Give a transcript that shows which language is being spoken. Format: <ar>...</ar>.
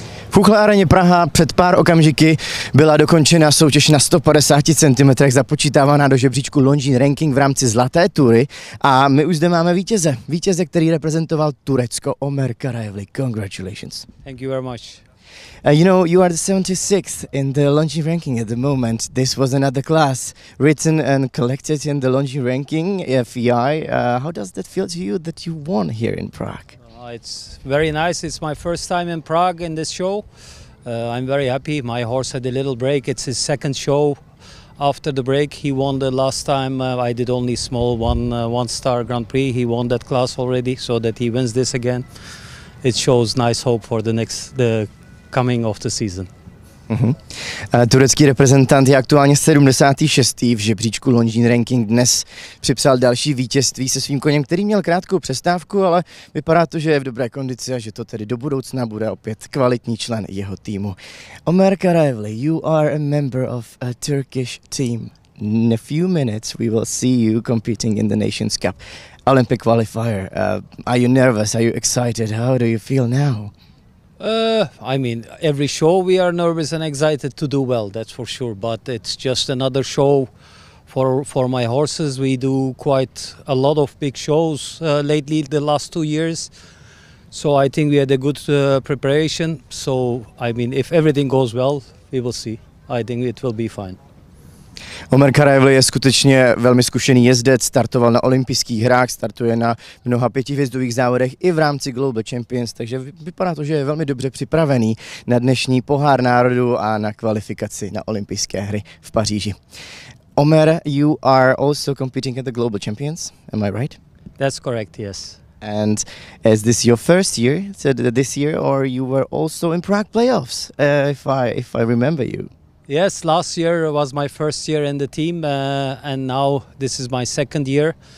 <cs>Chuchla Areně Praha před pár okamžiky byla dokončena soutěž na 150 cm započítávaná do žebříčku Longines Ranking v rámci Zlaté tury a my už zde máme vítěze. Vítěze, který reprezentoval Turecko, Omer Karaevli.</cs> <en>Congratulations. Thank you very much. You know, you are the 76th in the Longines Ranking at the moment. This was another class written and collected in the Longines Ranking, FEI. How does that feel to you that you won here in Prague? It's very nice. It's my first time in Prague in this show. I'm very happy. My horse had a little break. It's his second show after the break. He won the last time. I did only small one-star Grand Prix. He won that class already, so that he wins this again. It shows nice hope for the coming of the season.</en> <cs>Turecký reprezentant je aktuálně 76. v žebříčku Longines Ranking. Dnes připsal další vítězství se svým koněm, který měl krátkou přestávku, ale vypadá to, že je v dobré kondici a že to tedy do budoucna bude opět kvalitní člen jeho týmu.</cs> <en>Omer Karaevli, you are a member of a Turkish team. In a few minutes we will see you competing in the Nations Cup Olympic qualifier. Are you nervous? Are you excited? How do you feel now? I mean, every show we are nervous and excited to do well, that's for sure, but it's just another show for my horses. We do quite a lot of big shows lately, the last 2 years, so I think we had a good preparation. So I mean, if everything goes well, we will see. I think it will be fine.</en> <cs>Omer Karaevli je skutečně velmi zkušený jezdec, startoval na olympijských hrách, startuje na mnoha pětihvězdových závodech i v rámci Global Champions, takže vypadá to, že je velmi dobře připravený na dnešní pohár národů a na kvalifikaci na olympijské hry v Paříži.</cs> <en>Omer, you are also competing at the Global Champions, am I right? That's correct, yes. And is this your first year, this year, or you were also in Prague playoffs, if I remember you? Yes, last year was my first year in the team, and now this is my second year.</en>